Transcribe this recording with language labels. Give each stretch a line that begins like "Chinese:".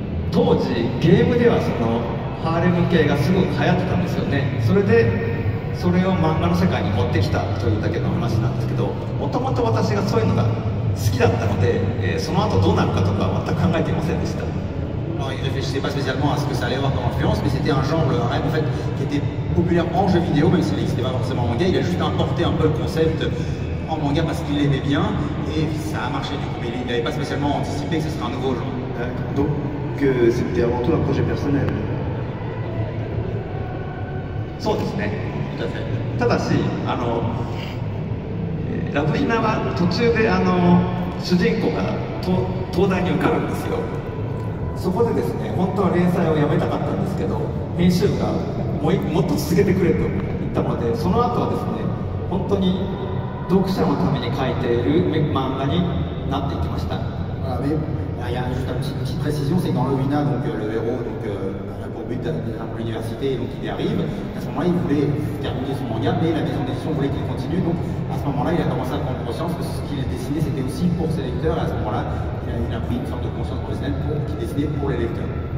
Japanese: 当時、ゲームではそのハーレム系がすごく流行ってたんですよね。それでそれを漫画の世界に持ってきたというだけの話なんですけど、もともと私がそういうのが好きだったので、その後どうなるかとかは全く考えていませんでした。
French: Non, je ne sais pas spécialement à ce que ça allait avoir comme influence, mais c'était un genre, un rêve en fait, qui était populaire en jeu vidéo, même s'il n'existait pas forcément en manga. Il a juste importé un peu le concept en manga parce qu'il l'aimait bien et ça a marché du coup, mais il n'avait pas spécialement anticipé que ce serait un nouveau genre. Donc c'était avant tout un projet personnel.
Japanese: そうですね。ただし、ラブイナは途中で主人公が東大に受かるんですよ。そこでですね、本当は連載をやめたかったんですけど、編集部がもっと続けてくれと言ったので、その後はですね、本当に読者のために書いている漫画になっていきました。
French: Il y a juste une petite précision, c'est que dans Lovina, donc, le héros donc, a pour but d'aller à l'université, donc il y arrive. À ce moment-là, il voulait terminer son manga, mais la maison d'édition voulait qu'il continue. Donc à ce moment-là, il a commencé à prendre conscience que ce qu'il dessinait, c'était aussi pour ses lecteurs. Et à ce moment-là, il a pris une sorte de conscience professionnelle pour qu'il dessinait pour les lecteurs.